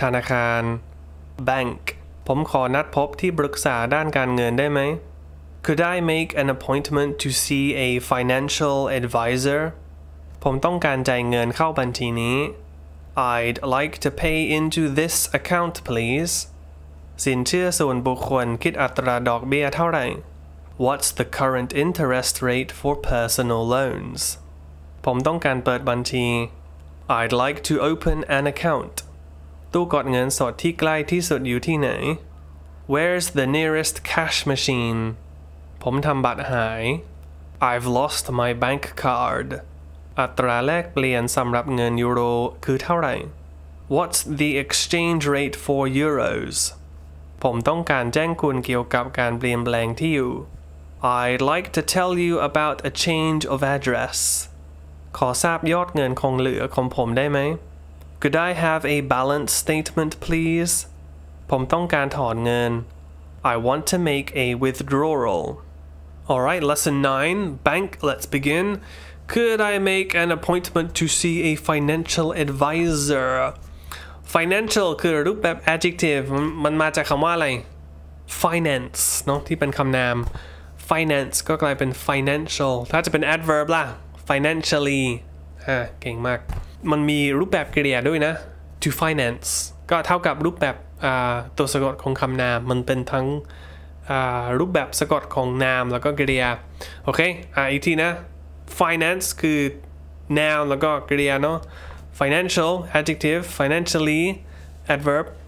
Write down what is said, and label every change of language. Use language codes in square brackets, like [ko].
[th] ธนาคาร Bank. ผมขอนัดพบที่ปรึกษาด้านการเงินได้ไหม? [en] Could I make an appointment to see a financial advisor? [th] ผมต้องการจ่ายเงินเข้าบัญชีนี้. [en] I'd like to pay into this account, please. [th] สินเชื่อส่วนบุคคลคิดอัตราดอกเบี้ยเท่าไหร่ [en] What's the current interest rate for personal loans? [th] ผมต้องการเปิดบัญชี [en] I'd like to open an account. [th] ตู้กดเงินสดที่ใกล้ที่สุดอยู่ที่ไหน [en] Where's the nearest cash machine? [th] ผมทำบัตรหาย [en] I've lost my bank card. [th] อัตราแลกเปลี่ยนสำหรับเงินยูโรคือเท่าไหร่ [en] What's the exchange rate for euros? [th] ผมต้องการแจ้งคุณเกี่ยวกับการเปลี่ยนแปลงที่อยู่ [en] I'd like to tell you about a change of address. [th] ขอทราบยอดเงินคงเหลือของผมได้ไหม [en] Could I have a balance statement, please? [th] ผมต้องการถอนเงิน [en] I want to make a withdrawal. Alright, lesson 9, bank, let's begin. Could I make an appointment to see a financial advisor? [th] Financial คือรูปแบบ adjective มันมาจากคำว่าอะไร Finance เนาะที่เป็นคำนาม Finance ก็กลายเป็น financial ถ้าจะเป็น adverb ล่ะ financially เก่งมากมันมีรูปแบบกริยาด้วยนะ to finance ก็เท่ากับรูปแบบตัวสะกดของคำนามมันเป็นทั้งรูปแบบสะกดของนามแล้วก็กริยาโอเคอีกทีนะ finance คือ noun แล้วก็กริยาเนาะ financial adjective financially adverb